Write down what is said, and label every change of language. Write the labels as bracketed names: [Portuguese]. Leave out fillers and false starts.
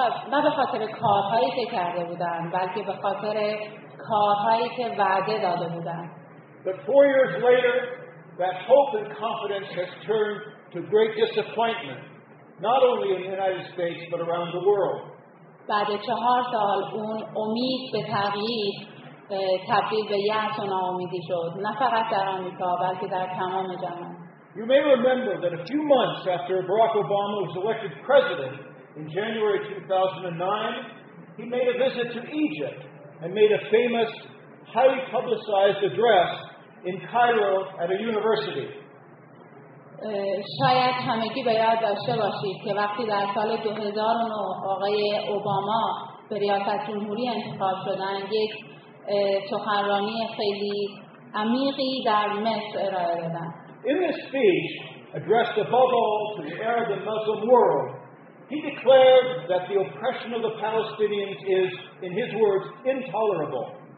[Persian] نه به خاطر کارهایی که کرده بودند، بلکه به خاطر کارهایی که وعده داده بودند. [English] But 4 years later, that hope and confidence has turned to great disappointment, not only in the United States, but around the world. [Persian] بعد 4 سال اون امید به تغییر تبدیل به یأس و ناامیدی شد، نه فقط در آمریکا بلکه در تمام جهان. [English] You may remember that a few months after Barack Obama was elected president in January 2009, he made a visit to Egypt and made a famous highly publicized address in Cairo at a university. [Persian] شاید همگی به یاد داشته باشید که وقتی در سال 2009 آقای اوباما به ریاست جمهوری انتخاب شدند، یک سخنرانی خیلی عمیقی در مصر ارائه دادند. [English] In this speech, addressed above all to the Arab and Muslim world, he declared that the oppression of the Palestinians is, in his words, intolerable.